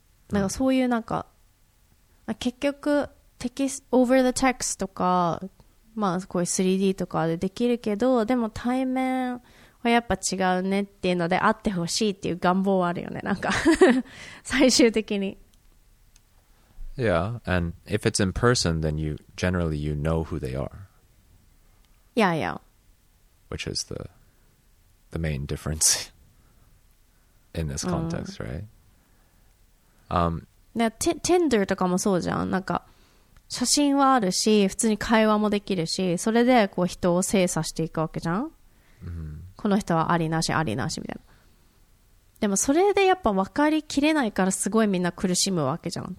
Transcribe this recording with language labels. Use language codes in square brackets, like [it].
[ja] なんかそういうなんか結局テキスト [en] over the text [ja] とか、まあこういう 3D とかでできるけど、でも対面はやっぱ違うねっていうので、会ってほしいっていう願望はあるよね、なんか最終的に。 [en] Yeah, and if it's in person then you generally you know who they are. Yeah, yeah. Which is the main difference in this context, right? [ja] Tinder とかもそうじゃん。なんか写真はあるし、普通に会話もできるし、それでこう人を精査していくわけじゃん。この人はありなし、ありなしみたいな。でもそれでやっぱ分かりきれないからすごいみんな苦しむわけじゃん。